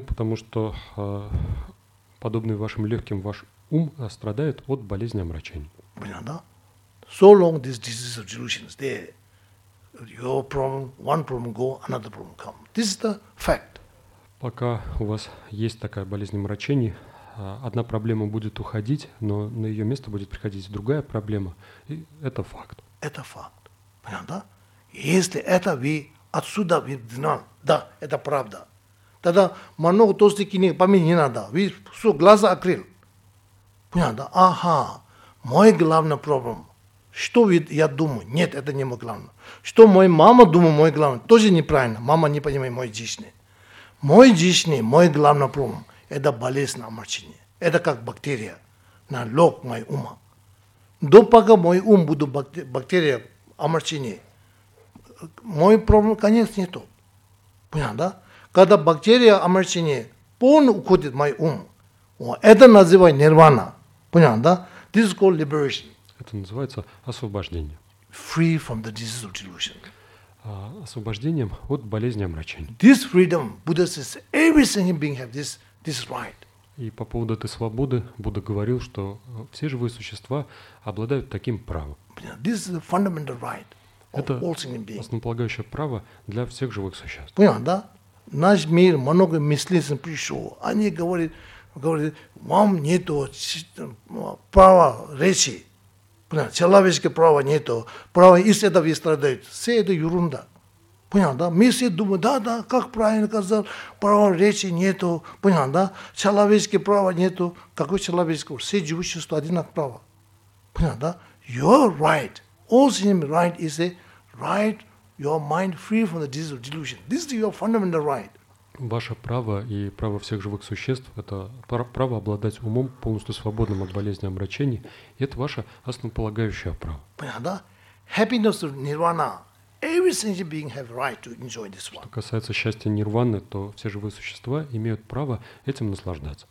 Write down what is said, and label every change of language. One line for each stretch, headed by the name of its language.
Russian: Потому что подобный вашим легким ваш ум страдает от болезни омрачения. Понятно?
English: So long this disease of delusion is there, your problem, one problem go, another problem come. This is the fact.
Russian: Пока у вас есть такая болезнь омрачения, одна проблема будет уходить, но на ее место будет приходить другая проблема. И это факт. Это факт. Понятно, да? Если это вы отсюда видно, да, это правда. Тогда много толстики не помнить не надо. Вы все, глаза открыл. Понятно, да? Ага, мой главный проблем. Что я думаю? Нет, это не мой главный. Что моя мама думает, мой главный? Тоже неправильно. Мама не понимает мой жизнь. Мой жизнь, мой главный проблем. Это болезнь омрачения. Это как бактерия на лоб моего ума. До пока мой ум будет бактерия омрачения, мой проблем, конечно, не тот. Понятно, да? Когда бактерия омрачения полностью уходит в мой ум, это называется нирвана. Понятно, да?
English: This is called liberation.
Russian: Это называется освобождение.
English: Free from the disease of delusion.
Russian: Освобождением от болезни омрачения.
English: This freedom, Buddha says, every single being have this. This is right.
Russian: И по поводу этой свободы Будда говорил, что все живые существа обладают таким правом.
English: This is a fundamental right of all single beings.
Russian: Это основополагающее право для всех живых существ. Понял, да? Наш мир много мыслителей пришел. Они говорят, вам нету права речи. Понял, человеческое право нету. Право, если это вы страдаете, все это ерунда. Понял, да? Мы все думаем, да, как правильно сказал, права речи нету, понял, да? Человеческие права нету. Какое человеческое? Все живущие существа одинаково право. Понял, да?
English: Your right, all same right is a right, your mind free from the disease of delusion. This is your fundamental right.
Russian: Ваше право и право всех живых существ – это право обладать умом, полностью свободным от болезни омрачений. И это ваше основополагающее право. Понял, да?
English: Happiness of nirvana. Every single being have right to enjoy this one.
Russian: Что касается счастья нирваны, то все живые существа имеют право этим наслаждаться.